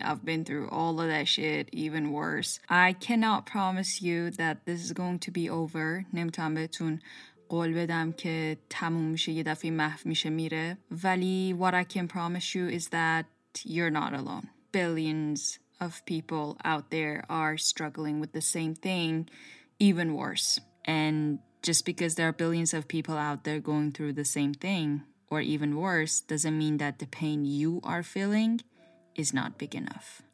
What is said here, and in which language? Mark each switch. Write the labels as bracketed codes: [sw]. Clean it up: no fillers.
[en] I've been through all of that shit, even worse. I cannot promise you that this is going to be over. [fa] نمیتونم بهتون قول بدم که تموم میشه، یه دفعه محو میشه میره. ولی [en] what I can promise you is that you're not alone. Billions of people out there are struggling with the same thing, even worse. And just because there are billions of people out there going through the same thing, or even worse, doesn't mean that the pain you are feeling is not big enough.